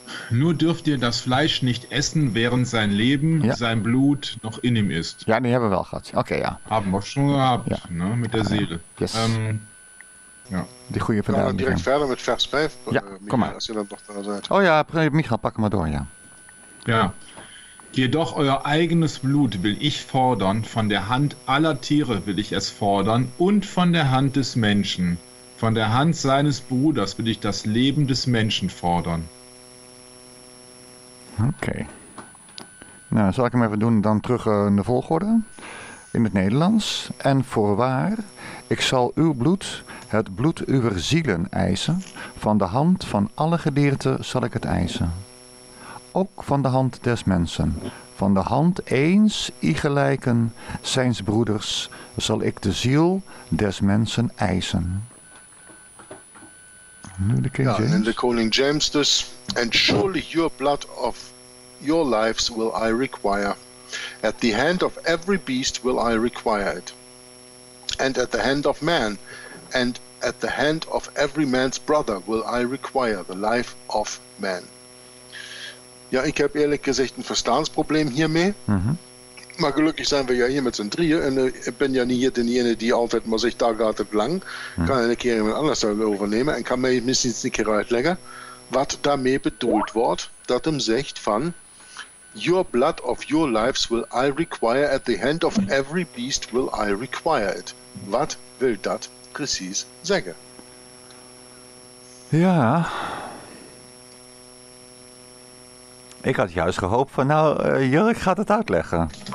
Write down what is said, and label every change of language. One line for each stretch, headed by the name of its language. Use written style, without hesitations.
German: Nur dürft ihr das Fleisch nicht essen, während sein Leben, ja. sein Blut noch in ihm ist.
Dutch: Ja, die hebben we wel gehad. Okay, ja.
German: Haben wir schon gehabt, ja. ne, mit der Seele.
English: Yes.
Dutch: Ja. Die goede verduidelijking. Gaan we direct verder met vers 5, ja, kom maar. Als je dan toch daar bent. Oh ja, Michael, pak hem maar door, ja. Ja.
German: Jedoch euer eigenes Blut will ich fordern, von der Hand aller Tiere will ich es fordern und von der Hand des Menschen. Von der Hand seines Bruders will ich das Leben des Menschen fordern.
Dutch: Oké. Okay. Nou, zal ik hem even doen, dan terug in de volgorde. In het Nederlands. En voorwaar, ik zal uw bloed, het bloed uwer zielen, eisen. Van de hand van alle gedierte zal ik het eisen. Ook van de hand des mensen. Van de hand eens igelijken zijns broeders, zal ik de ziel des mensen eisen. Nu de King James. Ja, en de koning James dus.
English: And surely your blood of your lives will I require. At the hand of every beast will I require it. And at the hand of man, and at the hand of every man's brother will I require the life of man.
Dutch: Ja, ik heb eerlijk gezegd een verstaansprobleem hiermee. Mm-hmm. Maar gelukkig zijn we ja hier met z'n drieën. En ik ben ja niet hier degene die altijd maar zegt, daar gaat het lang. Kan een keer iemand anders overnemen. En kan mij misschien eens een keer uitleggen wat daarmee bedoeld wordt. Dat hem zegt van,
English: your blood of your lives will I require at the hand of every beast will I require it.
Dutch: Wat wil dat precies zeggen? Ja. Ik had juist gehoopt van, nou, Jurk gaat het uitleggen.